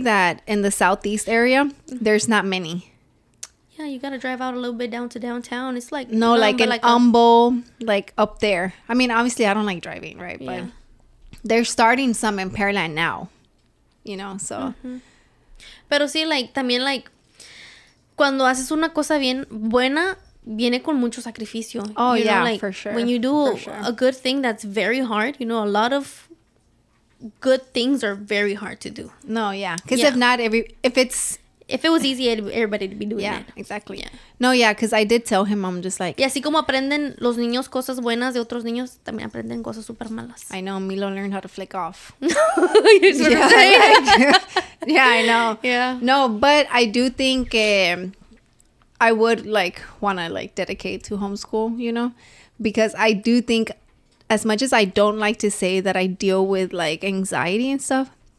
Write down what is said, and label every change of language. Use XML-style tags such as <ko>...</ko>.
<en>That in the Southeast area, there's not many. Yeah, you got to drive out a little bit down to downtown. It's like... No, like in Humble, like up there. I mean, obviously, I don't like driving, right? Yeah. But they're starting some in Pearland now, you know, so... Mm-hmm.</en> <es>Pero sí, like, también, like, cuando haces una cosa bien buena, viene con mucho sacrificio.</es> <en>Oh, you know, like, for sure. When you do a good thing that's very hard, you know, a lot of... good things are very hard to do. No, yeah. Because if not, if it was easy, everybody would be doing yeah, it. Yeah, exactly. Yeah. No, yeah, because I did tell him, I'm just like...</en> <es>Y así como aprenden los niños cosas buenas de otros niños, también aprenden cosas super malas.</es> <en>I know, Milo learned how to flick off. You're sort of saying? Like, yeah, I know. Yeah. No, but I do think I would, like, want to, like, dedicate to homeschool, you know? Because I do think... As much as I don't like to say that I deal with, like, anxiety and stuff,</en>